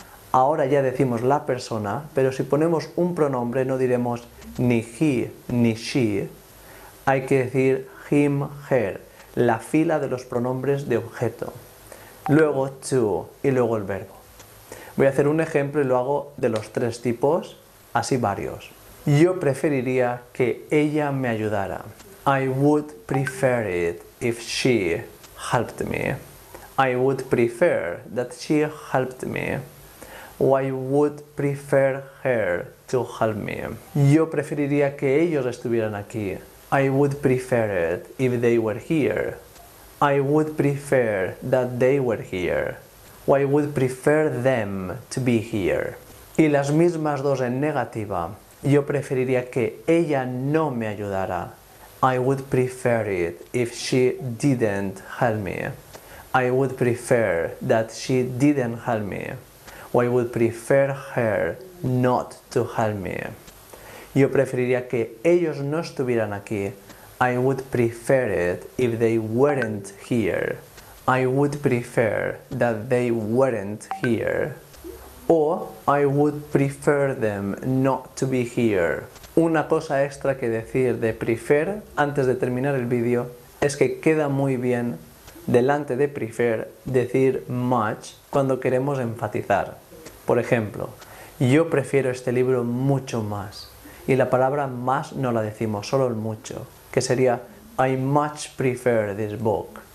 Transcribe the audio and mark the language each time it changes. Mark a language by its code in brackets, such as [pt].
[es] Ahora ya decimos la persona, pero si ponemos un pronombre no diremos ni he ni she. Hay que decir him, her, la fila de los pronombres de objeto. Luego to y luego el verbo. Voy a hacer un ejemplo y lo hago de los tres tipos, así varios. Yo preferiría que ella me ayudara. [en] I would prefer it if she helped me. I would prefer that she helped me. Or I would prefer her to help me. [es] Yo preferiría que ellos estuvieran aquí. [en] I would prefer it if they were here. I would prefer that they were here. I would prefer them to be here. [es] Y las mismas dos en negativa. Yo preferiría que ella no me ayudara. [en] I would prefer it if she didn't help me. I would prefer that she didn't help me. I would prefer her not to help me. [es] Yo preferiría que ellos no estuvieran aquí. [en] I would prefer it if they weren't here. I would prefer that they weren't here. Or I would prefer them not to be here. [es] Una cosa extra que decir de prefer antes de terminar el vídeo es que queda muy bien delante de prefer decir much cuando queremos enfatizar. Por ejemplo, yo prefiero este libro mucho más. Y la palabra más no la decimos, solo el mucho, que sería [en] I much prefer this book.